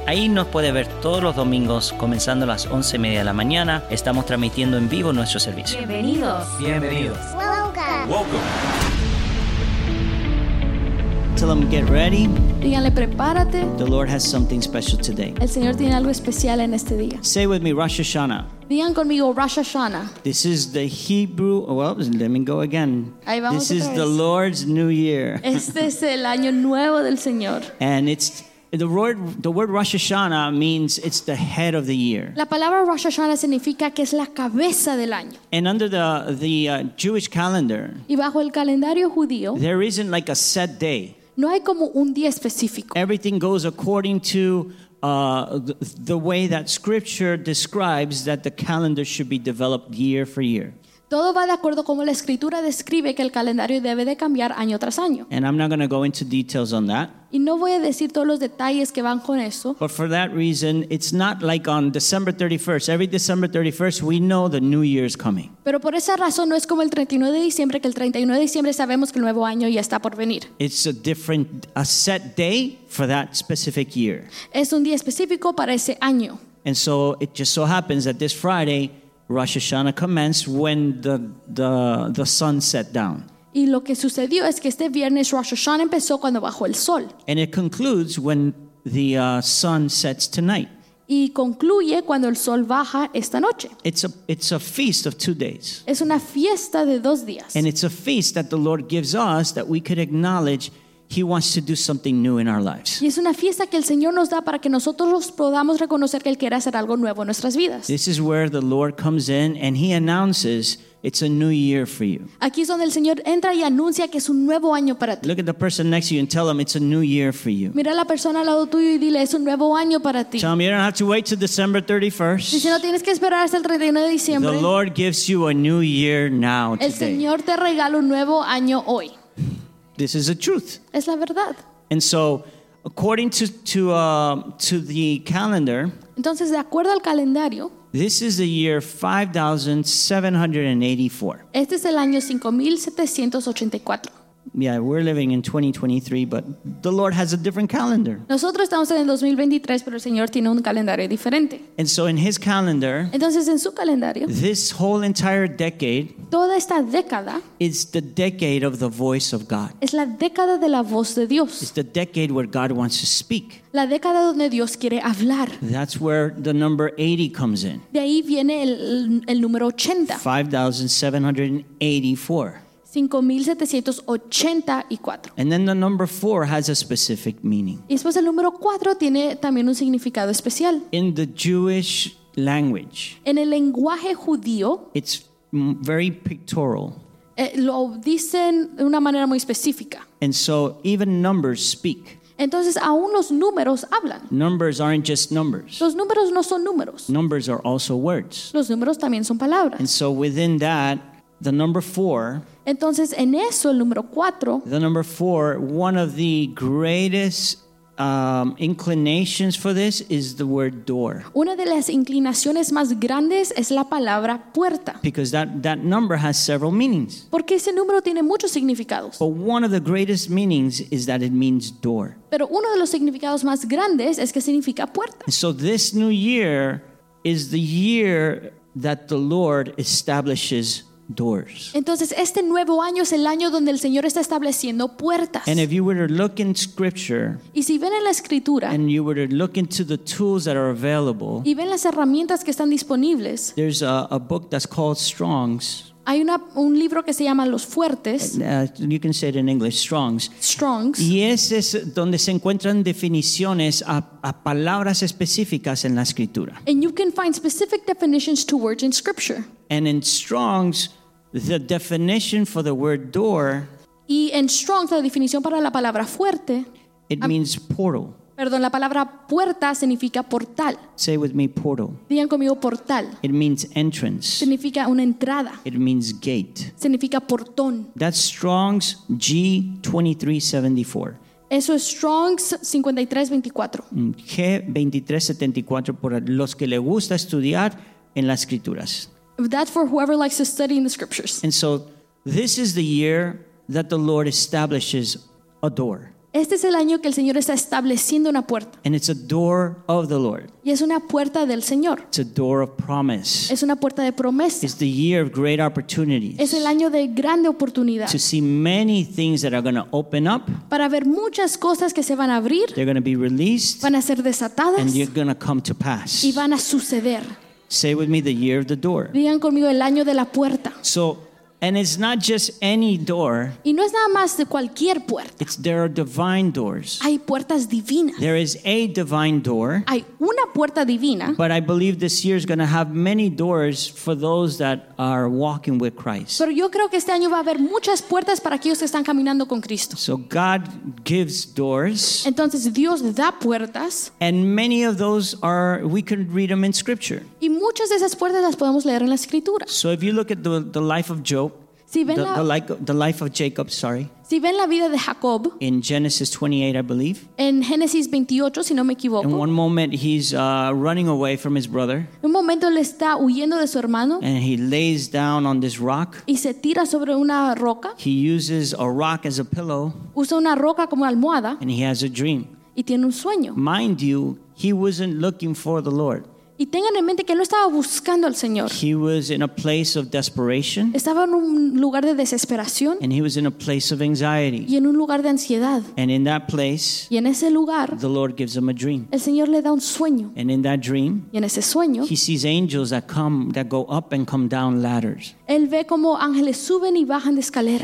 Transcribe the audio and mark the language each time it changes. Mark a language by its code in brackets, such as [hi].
[es] Ahí nos puede ver todos los domingos comenzando a las 11:30 de la mañana. Estamos transmitiendo en vivo nuestro servicio. Bienvenidos. [en] Welcome. Tell them get ready. [es] Díganle prepárate. [en] The Lord has something special today. [es] El Señor tiene algo especial en este día. [en] Say with me, Rosh Hashanah. [es] Digan conmigo, Rosh Hashanah. [en] This is the Hebrew, well, let me go again. [es] Ahí vamos [en] this [es] otra [en] is [es] vez. [en] The Lord's New Year. [es] Este es el año nuevo del Señor. [en] And it's the word Rosh Hashanah means it's the head of the year. [es] La palabra Rosh Hashanah significa que es la cabeza del año. [en] And under the Jewish calendar, [es] y bajo el calendario judío, [en] there isn't like a set day. [es] No hay como un día específico. [en] Everything goes according to the way that scripture describes that the calendar should be developed year for year. [es] Todo va de acuerdo como la escritura describe que el calendario debe de cambiar año tras año. [en] And I'm not going to go into details on that. [es] Y no voy a decir todos los detalles que van con eso. [en] But for that reason, it's not like on December 31st. Every December 31st, we know the new year is coming. [es] Pero por esa razón no es como el 31 de diciembre, que el 31 de diciembre sabemos que el nuevo año ya está por venir. [en] It's a different, a set day for that specific year. [es] Es un día específico para ese año. [en] And so it just so happens that this Friday, Rosh Hashanah commenced when the sun set down. [es] Y lo que sucedió es que este viernes Rosh Hashanah empezó cuando bajó el sol. [en] And it concludes when the sun sets tonight. [es] Y concluye cuando el sol baja esta noche. [en] It's a feast of 2 days. [es] Es una fiesta de 2 días. [en] And it's a feast that the Lord gives us that we could acknowledge He wants to do something new in our lives. [es] Y es una fiesta que el Señor nos da para que nosotros podamos reconocer que Él quiere hacer algo nuevo en nuestras vidas. [en] This is where the Lord comes in and He announces it's a new year for you. [es] Aquí es donde el Señor entra y anuncia que es un nuevo año para ti. [en] Look at the person next to you and tell them it's a new year for you. [es] Mira a la persona al lado tuyo y dile es un nuevo año para ti. [en] Tell them you don't have to wait till December 31st. [es] Dice no tienes que esperar hasta el 31 de diciembre. [en] The Lord gives you a new year now today. [es] El Señor te regala un nuevo año hoy. [en] This is the truth. [es] Es la verdad. [en] And so, according to the calendar, [es] entonces, de acuerdo al calendario, [en] this is the year 5,784. [es] Este es el año 5,784. [en] Yeah, we're living in 2023, but the Lord has a different calendar. [es] Nosotros estamos en 2023, pero el Señor tiene un calendario diferente. [en] And so, in His calendar, [es] entonces, en su calendario, [en] this whole entire decade, [es] toda esta década, [en] it's the decade of the voice of God. [es] Es la década de la voz de Dios. [en] It's the decade where God wants to speak. [es] La década donde Dios quiere hablar. [en] That's where the number 80 comes in. [es] De ahí viene el número 80. [en] 5,784. [es] 5,784. [en] And then the number 4 has a specific meaning. [es] Y después el número 4 tiene también un significado especial. [en] In the Jewish language. [es] En el lenguaje judío. [en] It's very pictorial. [es] Lo dicen de una manera muy específica. [en] And so even numbers speak. [es] Entonces aún los números hablan. [en] Numbers aren't just numbers. [es] Los números no son números. [en] Numbers are also words. [es] Los números también son palabras. [en] And so within that, the number 4. [es] Entonces en eso el número 4. [en] The number 4, one of the greatest inclinations for this is the word door. [es] Una de las inclinaciones más grandes es la palabra puerta. [en] Because that number has several meanings. [es] Porque ese número tiene muchos significados. [en] But one of the greatest meanings is that it means door. [es] Pero uno de los significados más grandes es que significa puerta. [en] So this new year is the year that the Lord establishes doors. [es] Entonces este nuevo año es el año donde el Señor está estableciendo puertas. [en] And if you were to look in scripture, [es] y si ven en la escritura, [en] and you were to look into the tools that are available, [es] y ven las herramientas que están disponibles, [en] there's a book that's called Strong's. [es] Hay un libro que se llama Los Fuertes. [en] You can say it in English, Strong's. Strong's. [es] Y ese es donde se encuentran definiciones a palabras específicas en la escritura. [en] And you can find specific definitions to words in scripture. And in Strong's, The definition for the word door. [es] Y en Strong, la definición para la palabra fuerte. [en] It means portal. [es] Perdón, la palabra puerta significa portal. [en] Say with me portal. [es] Digan conmigo portal. [en] It means entrance. [es] Significa una entrada. [en] It means gate. [es] Significa portón. [en] That's Strong's G2374. [es] Eso es Strong's 5324. G2374 por los que le gusta estudiar en las escrituras. [en] That's for whoever likes to study in the scriptures. And so this is the year that the Lord establishes a door. [es] Este es el año que el Señor está estableciendo una puerta. [en] And it's a door of the Lord. [es] Y es una puerta del Señor. [en] It's a door of promise. [es] Es una puerta de promesa. [en] It's the year of great opportunities. [es] Es el año de grande oportunidad. [en] To see many things that are going to open up. [es] Para ver muchas cosas que se van a abrir. [en] They're going to be released. [es] Van a ser desatadas. [en] And they're going to come to pass. [es] Y van a suceder. [en] Say with me the year of the door. [es] Digan conmigo el año de la puerta. [en] So, and it's not just any door. [es] Y no es nada más de cualquier puerta. [en] It's there are divine doors. [es] Hay puertas divinas. [en] There is a divine door. [es] Hay una puerta divina. [en] But I believe this year is going to have many doors for those that are walking with Christ. [es] Pero yo creo que este año va a haber muchas puertas para aquellos que están caminando con Cristo. [en] So God gives doors. [es] Entonces Dios da puertas. [en] And many of those are we can read them in Scripture. [es] Y muchas de esas puertas las podemos leer en la Escritura. [en] So if you look at the life of Job. The life of Jacob, sorry. [es] Si ven la vida de Jacob, [en] in Genesis 28, I believe. [es] En Génesis 28, si no me equivoco. [en] In one moment, he's running away from his brother. [es] Un momento le está huyendo de su hermano. [en] And he lays down on this rock. [es] Y se tira sobre una roca. [en] He uses a rock as a pillow. [es] Usa una roca como almohada. [en] And he has a dream. [es] Y tiene un sueño. [en] Mind you, he wasn't looking for the Lord. [es] Y tengan en mente que él no estaba buscando al Señor. [en] He was in a place of desperation. [es] Estaba en un lugar de desesperación. [en] And he was in a place of anxiety. [es] Y en un lugar de ansiedad. [en] And in that place, [es] y en ese lugar, [en] the Lord gives him a dream. [es] El Señor le da un sueño. [en] And in that dream, [es] y en ese sueño, [en] he sees angels that go up and come down ladders. [es] Él ve como ángeles suben y bajan de escaleras.